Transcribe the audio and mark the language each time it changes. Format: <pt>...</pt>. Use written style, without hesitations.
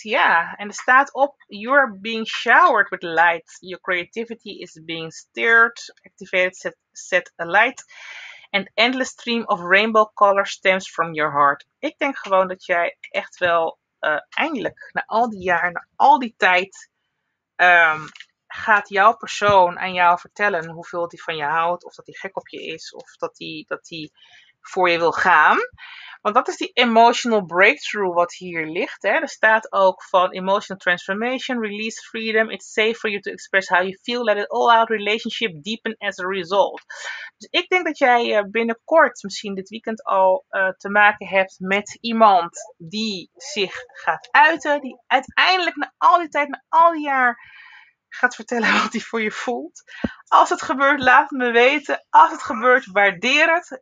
<nl>Ja, en er staat op,</nl> <en>you're being showered with light. Your creativity is being stirred, activated, set alight. An endless stream of rainbow color stems from your heart.</en> <nl>Ik denk gewoon dat jij echt wel eindelijk, na al die jaren, na al die tijd, gaat jouw persoon aan jou vertellen hoeveel die van je houdt, of dat die gek op je is, of dat die voor je wil gaan. Want dat is die emotional breakthrough wat hier ligt. Hè. Er staat ook van emotional transformation, release freedom.</nl> <en>It's safe for you to express how you feel. Let it all out. Relationship deepen as a result.</en> <nl>Dus ik denk dat jij binnenkort, misschien dit weekend al, te maken hebt met iemand die zich gaat uiten. Die uiteindelijk na al die tijd, na al die jaar gaat vertellen wat hij voor je voelt. Als het gebeurt, laat het me weten. Als het gebeurt, waardeer het.</nl>